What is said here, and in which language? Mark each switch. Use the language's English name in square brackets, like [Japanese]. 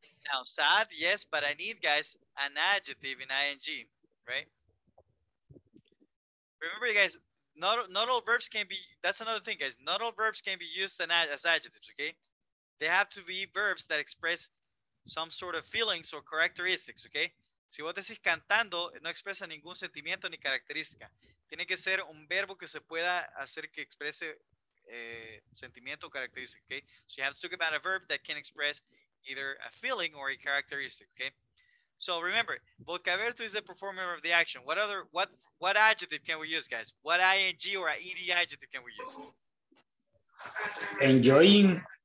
[English] Now, sad, yes, but I need, guys, an adjective in ing, right? Remember, guys, not all verbs can be, that's another thing, guys, not all verbs can be used as adjectives, okay? They have to be verbs that express some sort of feelings or characteristics, okay? [Spanish] Si vos decís cantando, no expresa ningún sentimiento ni característica. Tiene que ser un verbo que se pueda hacer que exprese sentimiento o característica, okay? [English] So you have to talk about a verb that can express either a feeling or a characteristic, okay? So remember, Vodkaberto is the performer of the action. What adjective can we use, guys? What ing or ed adjective can we use? Enjoying.